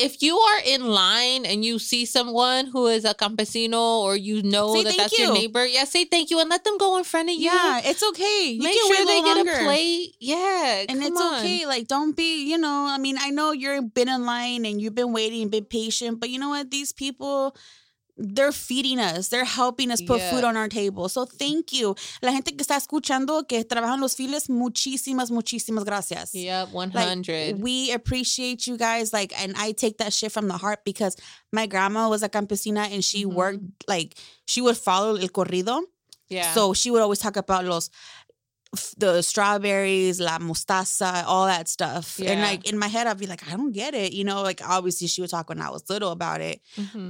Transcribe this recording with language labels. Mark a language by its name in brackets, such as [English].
[English] If you are in line and you see someone who is a campesino or you know that that's your neighbor, say thank you and let them go in front of you. Yeah, it's okay. Make sure they get a plate. Yeah, and it's okay. Like, don't be, you know, I mean, I know you've been in line and you've been waiting, been patient, but you know what? These people, they're feeding us. They're helping us put food on our table. So thank you. [Spanish] La gente que está escuchando, que trabaja en los files, muchísimas, muchísimas gracias. [English] Yep, 100. Like, we appreciate you guys. Like, and I take that shit from the heart because my grandma was a campesina and she worked, like, she would follow [Spanish] el corrido. [English] Yeah. So she would always talk about the strawberries, [Spanish] la mostaza, [English] all that stuff. Yeah. And like in my head, I'd be like, I don't get it. You know, like obviously she would talk when I was little about it. Mm-hmm.